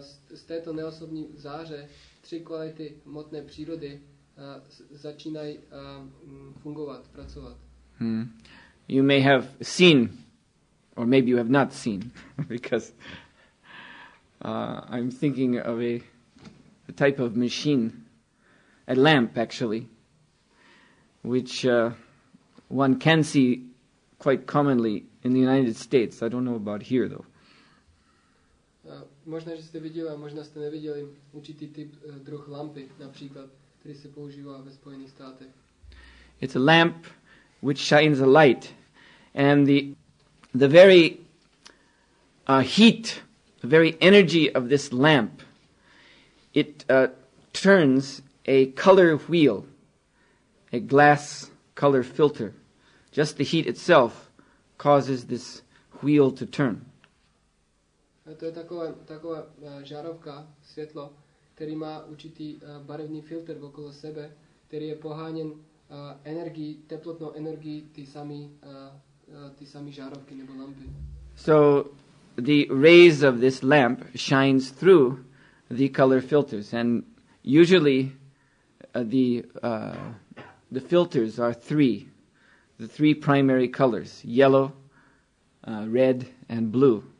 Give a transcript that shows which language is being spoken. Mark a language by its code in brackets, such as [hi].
[cs] Z této neosobní záře tři kvality hmotné přírody začínají fungovat, pracovat. [en] You may have seen, or maybe you have not seen, because I'm thinking of a type of machine, a lamp actually, which one can see quite commonly in the United States. I don't know about here though. [cs] Možná že jste viděli, a možná jste neviděli určitý typ druh lampy, například, který se používá ve Spojených státech. [en] It's a lamp which shines a light, and the very heat, the very energy of this lamp, it turns a color wheel, a glass color filter. Just the heat itself causes this wheel to turn. [cs] To je taková žárovka, světlo, který má určitý barevný filtr okolo sebe, který je poháněn energií, teplotnou energií ty samé žárovky nebo lampy. [en] So the rays of this lamp shines through the color filters, and usually the filters are three, the three primary colors, yellow, red, and blue.